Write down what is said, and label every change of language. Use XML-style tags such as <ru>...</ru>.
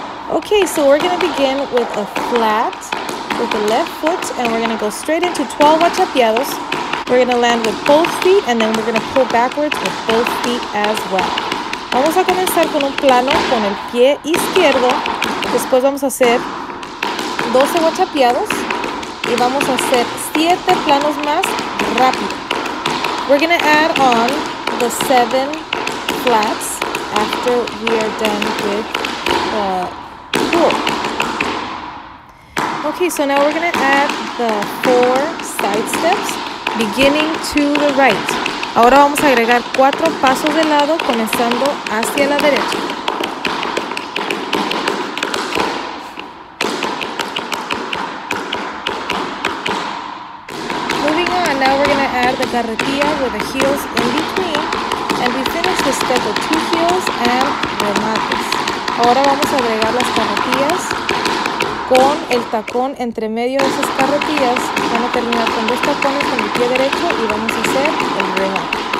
<en>Okay, so we're going to begin with a flat with the left foot, and we're going to go straight into 12 achapiados. We're going to land with both feet, and then we're going to pull backwards with both feet as well.</en> <es>Vamos a comenzar con un plano con el pie izquierdo. Después vamos a hacer 12 achapiados, y vamos a hacer 7 planos más rápido.</es> <en>We're going to add on the 7 flats after we are done with the pull. Okay, so now we're going to add the 4 side steps, beginning to the right.</en> <es>Ahora vamos a agregar 4 pasos de lado, comenzando hacia la derecha.</es> <en>Moving on, now we're going to add the carretilla with the heels in between, and we finish the step with 2 heels and remates.</en> <es>Ahora vamos a agregar las carretillas con el tacón entre medio de esas carretillas. Van a terminar con 2 tacones con el pie derecho y vamos a hacer el remate.</es>